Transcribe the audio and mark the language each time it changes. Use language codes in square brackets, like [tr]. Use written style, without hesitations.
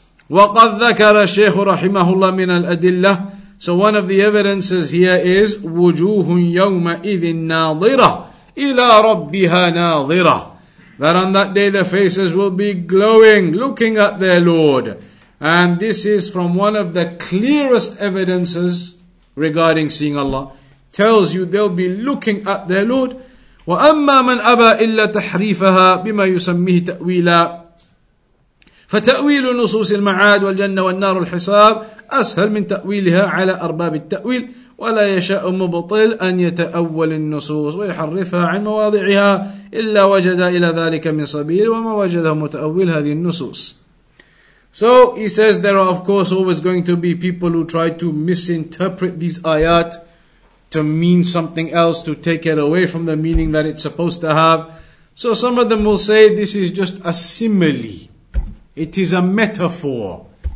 [ar] وَقَدْ ذَكَرَ الشَّيْخُ رَحِمَهُ اللَّهِ مِنَ الْأَدِلَّةِ [en] So one of the evidences here is [ar] وُجُوهٌ يَوْمَئِذٍ نَاظِرَةٌ إِلَىٰ رَبِّهَا نَاظِرَةٌ [en] That on that day the faces will be glowing, looking at their Lord. And this is from one of the clearest evidences regarding seeing Allah. Tells you they'll be looking at their Lord. [ar] وَأَمَّا مَنْ أَبَى إِلَّا تَحْرِيفَهَا بِمَا يُسَمِّهِ تَأْوِيلًا فتأويل نصوص المعاد والجنة والنار والحساب أسهل من تأويلها على أرباب التأويل ولا يشاء مبطل أن يتأول النصوص ويحرفها عن مواضعها إلا وجد إلى ذلك من سبيل وما وجده متأويل هذه النصوص. [en] So he says there are of course always going to be people who try to misinterpret these ayat to mean something else, to take it away from the meaning that it's supposed to have. So some of them will say this is just a simile. It is a metaphor.